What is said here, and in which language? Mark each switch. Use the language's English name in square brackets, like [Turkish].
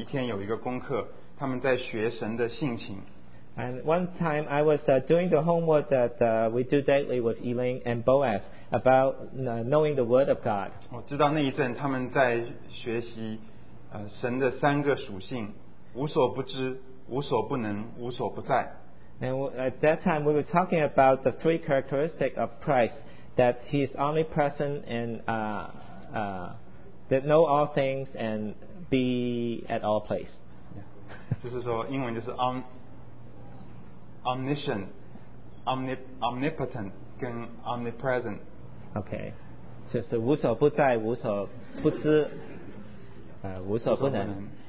[Chinese] 有一次我跟以琳、波阿斯他们在做他们每一天有一个功课，他们在学神的性情。 [English] And one time I was doing the homework that we do daily with Elaine and Boaz about knowing the word of God. [Chinese] 我知道那一阵他们在学习神的三个属性，无所不知、无所不能、无所不在。 [English] And at that time we were talking about the three characteristics of Christ, that he is omnipresent and that know all things and be at all place. Yeah. [Chinese] 就是说英文就是 omniscient, omnipotent 跟 omnipresent. [English] Okay. [Chinese] 就是无所不在、无所不知、无所不能。